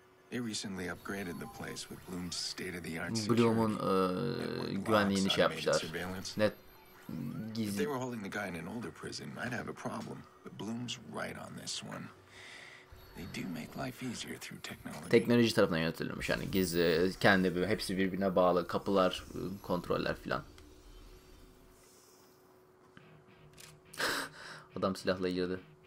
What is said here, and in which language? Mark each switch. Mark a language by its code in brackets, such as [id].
[en] They recently upgraded the place with Bloom's state-of-the-art security. [tr] Bloom'un güvenliğini şey yapmışlar. Net gizli. [en] They were holding the guy in an older prison. I'd have a problem. But Bloom's right on this one. They do make life easier through technology. [tr] Teknoloji tarafından yönetilmiş yani gizli, kendi bir, hepsi birbirine bağlı, kapılar, kontroller filan. Adam silahla girdi.